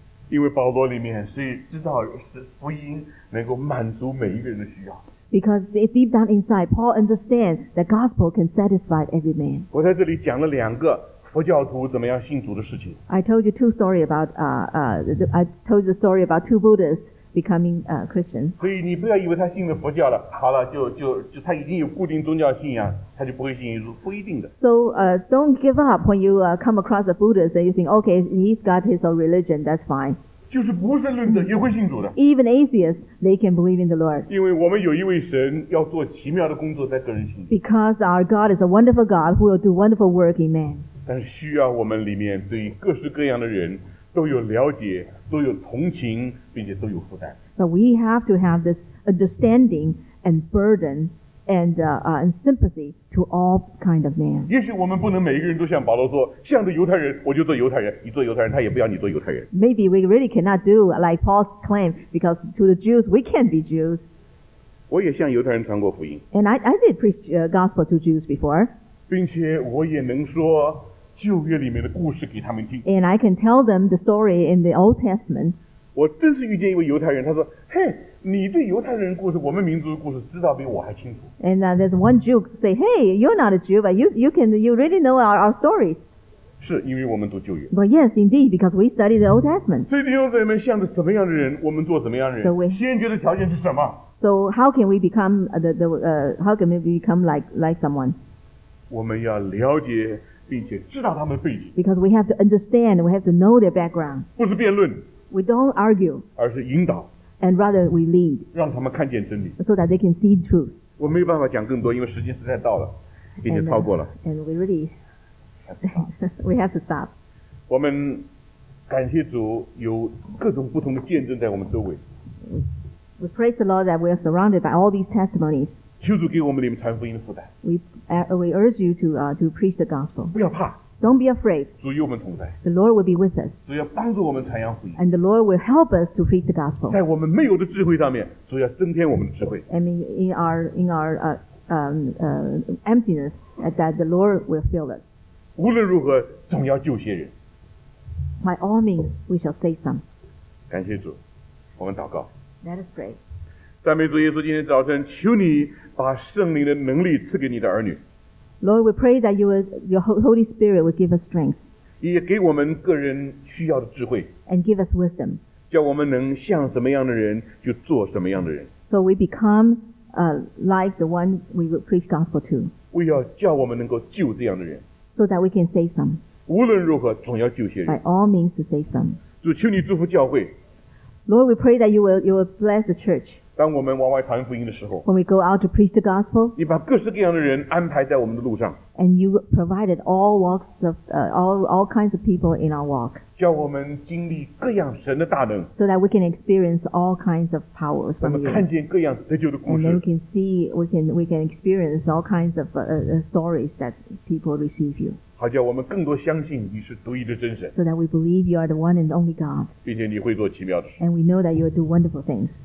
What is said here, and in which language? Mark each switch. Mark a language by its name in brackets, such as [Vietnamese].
[Chinese] 因为保罗里面是知道是福音能够满足每一个人的需要。 [English] Because deep down inside, Paul understands that gospel can satisfy every man. [Chinese] 我在这里讲了两个佛教徒怎么样信主的事情。 [English] I told you the story about two Buddhists becoming Christians. [Chinese] 所以你不要以为他信了佛教了，好了，就他已经有固定宗教信仰，他就不会信耶稣，不一定的。 [English] So don't give up when you come across a Buddhist and you think, okay, he's got his own religion, that's fine. [Chinese] 就是不神论者也会信主的。 [English] Even atheists, they can believe in the Lord. [Chinese] 因为我们有一位神要做奇妙的工作在个人心里。 [English] Because our God is a wonderful God who will do wonderful work in man. [Chinese] 但是需要我们里面对各式各样的人都有了解，都有同情，并且都有负担。 [English] But we have to have this understanding and burden and sympathy to all kind of man. [Chinese] 也许我们不能每一个人都像保罗说，向着犹太人，我就做犹太人。你做犹太人，他也不要你做犹太人。 [English] Maybe we really cannot do like Paul's claim, because to the Jews we can't be Jews. [Chinese] 我也向犹太人传过福音。 [English] And I did preach gospel to Jews before. [Chinese] 并且我也能说旧约里面的故事给他们听。 [English] And I can tell them the story in the Old Testament. [Chinese] 我真是遇见一位犹太人，他说，嘿。你对犹太人故事，我们民族的故事，知道比我还清楚。 [English] And there's one Jew say, "Hey, you're not a Jew, but you really know our stories." [Chinese] 是因为我们读旧约。 [English] But yes, indeed, because we study the Old Testament. [Chinese] 所以弟兄姊妹们，向着什么样的人，我们做什么样的人。 [English] So we, [Chinese] 先决的条件是什么 [English] ？So how can we become how can we become like someone? [Chinese] 我们要了解并且知道他们的背景。 [English] Because we have to understand, we have to know their background. [Chinese] 不是辩论。 [English] We don't argue. [Chinese] 而是引导。 [English] And rather we lead, [Chinese] 让他们看见真理， [English] so that they can see the truth. [Chinese] 我没有办法讲更多，因为时间实在到了，并且超过了。 [English] And we really, we have to stop. [Chinese] 我们感谢主，有各种不同的见证在我们周围。 [English] We praise the Lord that we are surrounded by all these testimonies. [Chinese] 求主给我们里面传福音的负担。 [English] We urge you to preach the gospel. [Chinese] 不要怕。 [English] Don't be afraid. [Chinese] 主与我们同在。 [English] The Lord will be with us. [Chinese] 主要帮助我们传扬福音。 [English] And the Lord will help us to preach the gospel. [Chinese] 在我们没有的智慧上面，主要增添我们的智慧。 [English] And in our emptiness, that the Lord will fill us. [Chinese] 无论如何，总要救些人。 [English] By all means, we shall save some. [Chinese] 感谢主，我们祷告。 [English] Let us pray. [Chinese] 赞美主耶稣，今天早晨求你把圣灵的能力赐给你的儿女。 [English] Lord, we pray that your Holy Spirit will give us strength. [Chinese] 也给我们个人需要的智慧。 [English] And give us wisdom. [Chinese] 叫我们能像什么样的人就做什么样的人。 [English] So we become like the one we will preach gospel to. [Chinese] 为要叫我们能够救这样的人。 [English] So that we can save some. [Chinese] 无论如何，总要救些人。 [English] By all means to save some. [Chinese] 主，求你祝福教会。 [English] Lord, we pray that you will bless the church. [Chinese] 当我们往外传福音的时候， [English] When we go out to preach the gospel, [Chinese] 你把各式各样的人安排在我们的路上， [English] and you provided all walks of all kinds of people in our walk, [Chinese] 叫我们经历各样神的大能， [English] so that we can experience all kinds of powers from you, [Chinese] 我们看见各样得救的故事， [English] and then we can experience all kinds of stories that people receive you, [Chinese] 好叫我们更多相信你是独一的真神， [English] so that we believe you are the one and only God, [Chinese] 并且你会做奇妙的事， [English] and we know that you will do wonderful things,